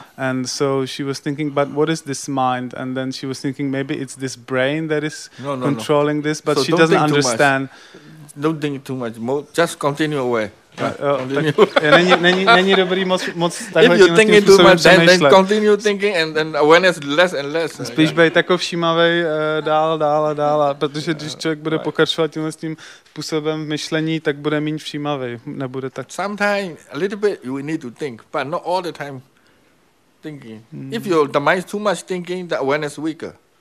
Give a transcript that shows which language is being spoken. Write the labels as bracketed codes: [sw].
[en] and so she was thinking, but what is this mind? And then she was thinking, maybe it's this brain that is controlling this, but so she doesn't understand. Don't think too much. Just continue away. If you think it too much, then continue thinking, and then awareness less and less. [cs] Spíš být jako všímavej dál, protože když člověk bude pokračovat tímhle s tím způsobem myšlení, tak bude méně všímavej, nebude tak. [en] Sometimes a little bit you need to think, but not all the time thinking. Mm. If your the mind is too much thinking, the awareness weaker.